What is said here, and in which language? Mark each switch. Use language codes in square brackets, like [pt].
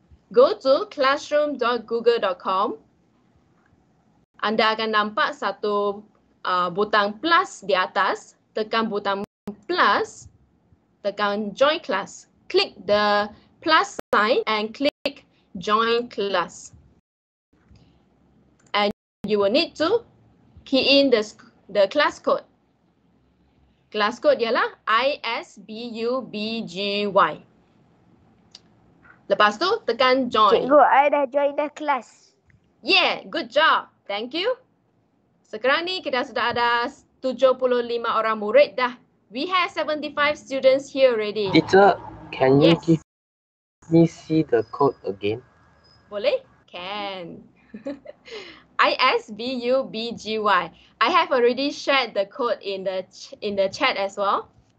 [en] Go to classroom.google.com. [ms] Anda akan nampak satu butang plus di atas. Tekan butang plus. Tekan join class. [en] Click the plus sign and click join class. And you will need to key in the class code. [ms] Class code ialah ISBUBGY. Lepas tu, tekan join. [en] Cikgu, I dah join the class. Yeah, good job. Thank you. [ms] Sekarang ni kita sudah ada 75 orang murid dah. [en] We have 75 students here already. Teacher, can you give me see the code again? [ms] Boleh? Can. ISBUBGY. [en] I have already shared the code in the chat as well.